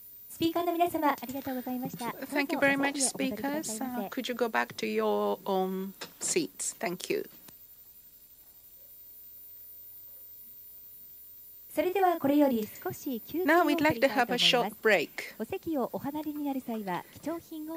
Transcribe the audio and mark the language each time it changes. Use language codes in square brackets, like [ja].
[ja] スピーカーの皆様、ありがとうございました。 [en] Thank you very much, speakers. Could you go back to your own seats? Thank you. [ja] それではこれより少し休憩を取りたいと思います。 [en] Now we'd like to have a short break. [ja] お席をお離れになる際は貴重品をお